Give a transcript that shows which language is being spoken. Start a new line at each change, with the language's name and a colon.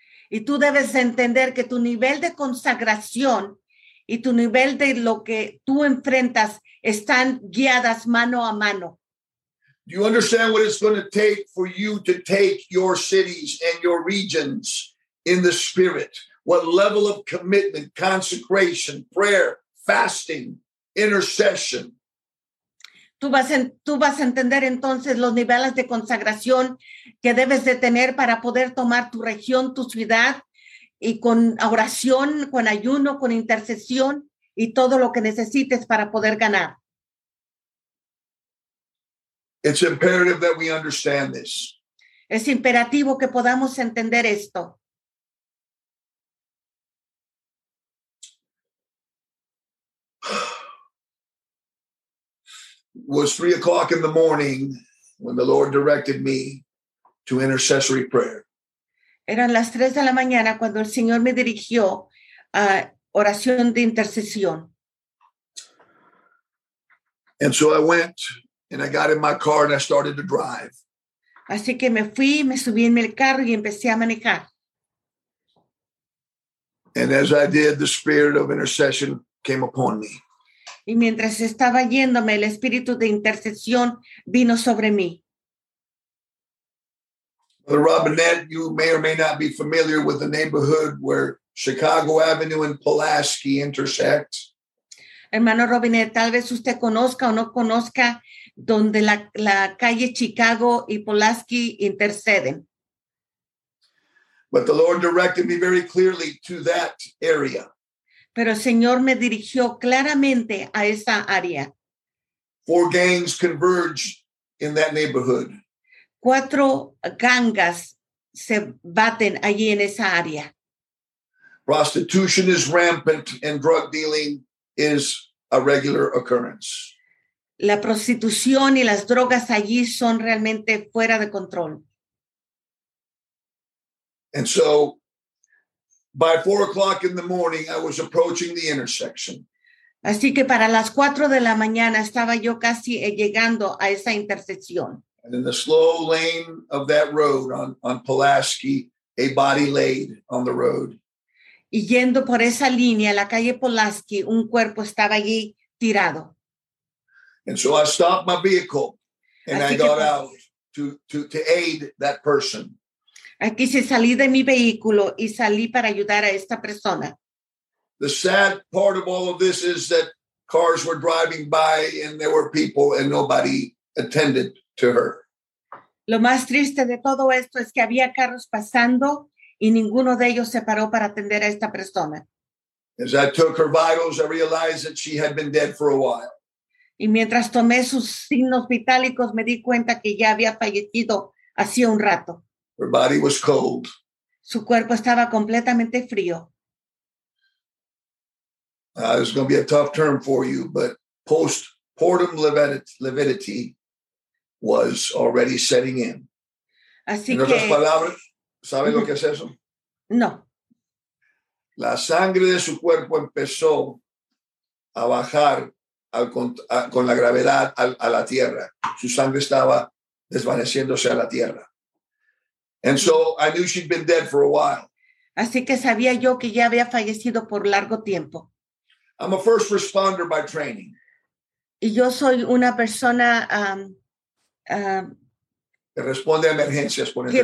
Spanish: Y tú debes entender que tu nivel de consagración y tu nivel de lo que tú enfrentas están guiadas mano a mano.
English: Do you understand what it's going to take for you to take your cities and your regions in the spirit? What level of commitment, consecration, prayer, fasting, intercession?
Spanish: Tú vas a entender entonces los niveles de consagración que debes de tener para poder tomar tu región, tu ciudad, y con oración, con ayuno, con intercesión, y todo lo que necesites para poder ganar.
English: It's imperative that we understand this.
Spanish: Es imperativo que podamos entender esto.
English: was 3 o'clock in the morning when the Lord directed me to intercessory prayer.
Spanish: Eran las 3 de la mañana cuando el Señor me dirigió a oración de intercesión.
English: And so I went and I got in my car and I started to drive.
Spanish: Así que me fui, me subí en el carro y empecé a manejar.
English: And as I did, the spirit of intercession came upon me.
Spanish: Y mientras estaba yéndome, el espíritu de intercesión vino sobre mí.
English: Brother Robinette, you may or may not be familiar with the neighborhood where Chicago Avenue and Pulaski intersect.
Spanish: Hermano Robinette, tal vez usted conozca o no conozca donde la calle Chicago y Pulaski interceden.
English: But the Lord directed me very clearly to that area.
Spanish: Pero el Señor me dirigió claramente a esa área.
English: 4 gangs converge in that neighborhood.
Spanish: 4 gangas se baten allí en esa área.
English: Prostitution is rampant and drug dealing is a regular occurrence.
Spanish: La prostitución y las drogas allí son realmente fuera de control.
English: And so, by 4 o'clock in the morning, I was approaching the intersection.
Spanish: Así que para las 4 de la mañana estaba yo casi llegando a esa intersección.
English: And in the slow lane of that road on Pulaski, a body laid on the road.
Spanish: Y yendo por esa línea, la calle Pulaski, un cuerpo estaba allí tirado.
English: And so I stopped my vehicle and I got out to aid that person.
Spanish: Aquí se salí de mi vehículo y salí para ayudar a esta persona.
English: The sad part of all of this is that cars were driving by and there were people and nobody attended to her.
Spanish: Lo más triste de todo esto es que había carros pasando y ninguno de ellos se paró para atender a esta persona.
English: As I took her vitals, I realized that she had been dead for a while.
Spanish: Y mientras tomé sus signos vitálicos, me di cuenta que ya había fallecido hacía un rato.
English: Her body was cold.
Spanish: Su cuerpo estaba completamente frío.
English: It's going to be a tough term for you, but postpartum lividity was already setting in.
Spanish: Así en otras que, palabras, ¿sabe lo que es eso? No. La sangre de su cuerpo empezó a bajar con la gravedad a la tierra. Su sangre estaba desvaneciéndose a la tierra.
English: And so I knew she'd been dead for a while.
Spanish: Así que sabía yo que ya había fallecido por largo tiempo.
English: I'm a first responder by training.
Spanish: Y yo soy una persona que responde a emergencias.